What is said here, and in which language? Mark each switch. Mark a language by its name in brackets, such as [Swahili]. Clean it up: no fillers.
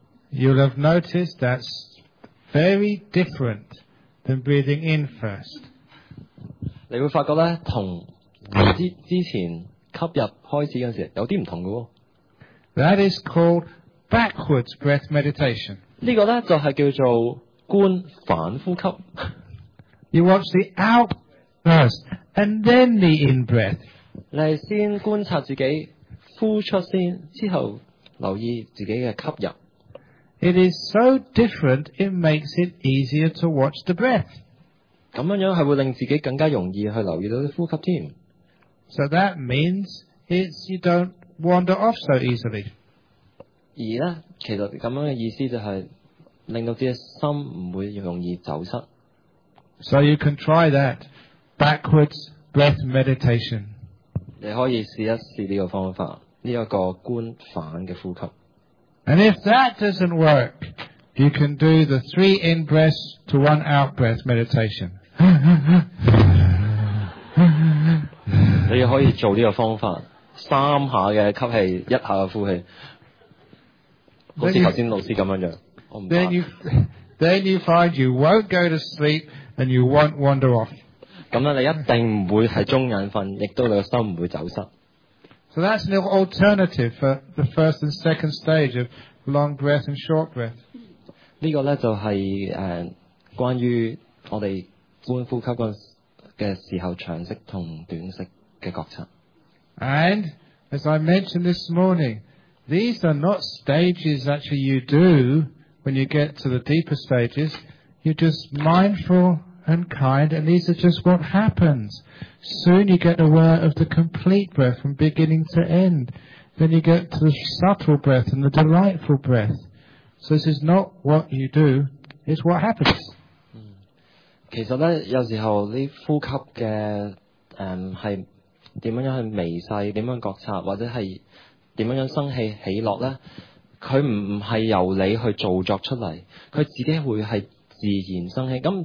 [English] You'll have noticed that's very different than breathing in first. [Cantonese] 你會發覺呢同之前吸入開始的時候有啲唔同㗎喎。 [English] That is called backwards breath meditation. [Cantonese] 呢個呢就係叫做觀反呼吸。 [English] You watch the out first and then the in breath. [Cantonese] 你先觀察自己呼出先，之後留意自己嘅吸入。 [English] It is so different, it makes it easier to watch the breath. [Cantonese] 咁樣係會令自己更加容易去留意到啲呼吸添。 [English] So that means it's you don't wander off so easily. [Cantonese] 而呢其實咁樣嘅意思就係令到自己心唔會容易走失。 [English] So you can try that backwards breath meditation. [Cantonese] 你可以試一試呢個方法，呢一個觀反嘅呼吸。 [English] And if that doesn't work, you can do the 3 in-breaths to 1 out-breath meditation. [Cantonese] 你可以做呢個方法，三下嘅吸氣，一下嘅呼氣，好似頭先老師咁樣樣。 [English] Then you find you won't go to sleep and you won't wander off. [Cantonese] 咁你一定唔会系中眼瞓，亦都你个心唔会走失。 [English] So that's an alternative for the first and second stage of long breath and short breath. [Cantonese] 呢个咧就系关于我哋观呼吸嗰嘅时候长息同短息嘅觉察。 [English] And as I mentioned this morning, these are not stages that you do when you get to the deeper stages. You're just mindful and kind, and these are just what happens. Soon you get aware of the complete breath from beginning to end. Then you get to the subtle breath and the delightful breath. So this is not what you do, it's what happens. [Cantonese] 其实呢有时候呢呼吸嘅系点样去微细，点样觉察，或者系点样生气起落呢，佢唔系由你去造作出嚟，佢自己会系自然生气。